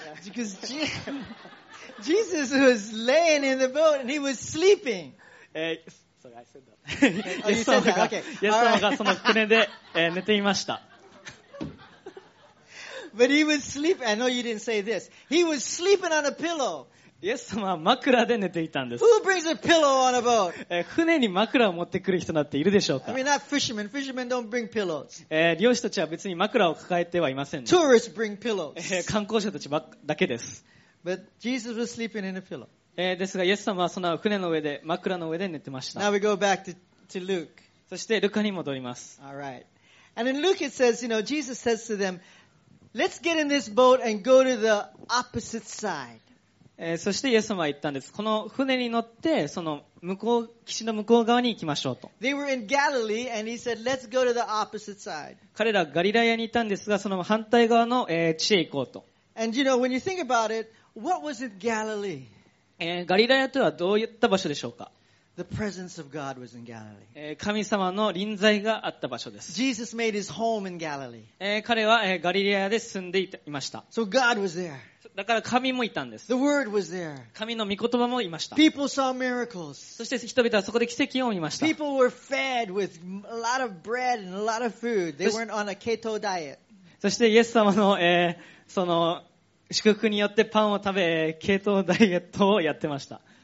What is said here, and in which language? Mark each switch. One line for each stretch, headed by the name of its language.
English: Because Jesus was laying in the boat and he was sleeping. Sorry, I said that. Oh, you said that. Okay.
Japanese: イエス様がその船で寝ていました。
English: But he was sleeping. I know you didn't say this. He was sleeping on a pillow.
Japanese: イエス様は枕で寝ていたんです。
English: Who brings a pillow on a boat?
Japanese: 船に枕を持ってくる人だっているでしょうか。
English: I mean, not fishermen. Fishermen don't bring pillows.
Japanese: 漁師たちは別に枕を抱えてはいません。
English: Tourists bring pillows.
Japanese: 観光者たちだけです。
English: But Jesus was sleeping in a pillow.
Japanese: ですがイエス様はその船の上で枕の上で寝てました。
English: Now we go back to Luke.
Japanese: そしてルカに戻ります。
English: All right. And in Luke it says, you know, Jesus says to them, "Let's get in this boat and go to the opposite side."
Japanese: そしてイエス様は言ったんです。この船に乗ってその向こう岸の向こう側に行きましょうと。
English: They were in Galilee and he said, "Let's go to the opposite side."
Japanese: 彼らガリラヤにいたんですが、その反対側の地へ行こうと。
English: And you know, when you think about it, what was it, Galilee?
Japanese: ガリラヤとはどういった場所でしょうか。
English: The presence of God was in Galilee.
Japanese: 神様の臨在があった場所です。
English: Jesus made his home in Galilee.
Japanese: 彼はガリラヤで住んでいました。
English: So God was there.
Japanese: だから神もいたんです。
English: The word was there.
Japanese: 神の御言葉もいました。
English: People saw miracles.
Japanese: そして人々はそこで奇跡を見ました。
English: People were fed with a lot of bread and a lot of food. They weren't on a keto diet.
Japanese: そしてイエス様の、その祝福によってパンを食べ、ケトダイエットをやってました。